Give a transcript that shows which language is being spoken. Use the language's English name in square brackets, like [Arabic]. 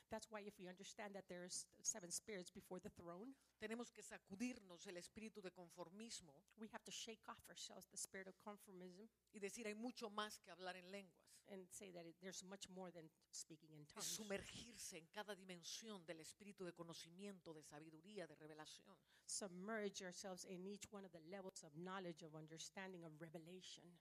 [English] that's why if we understand that there are seven spirits before the throne, [Spanish] tenemos que sacudirnos el espíritu de conformismo. [English] We have to shake off ourselves the spirit of conformism. [Spanish] Y decir, hay mucho más que hablar en lenguas. [English] And say that there's much more than speaking in tongues. [Spanish] Es sumergirse en cada dimensión del espíritu de conocimiento, de sabiduría, de revelación. [English] Submerge yourselves in each one of the levels of knowledge, of understanding, of revelation.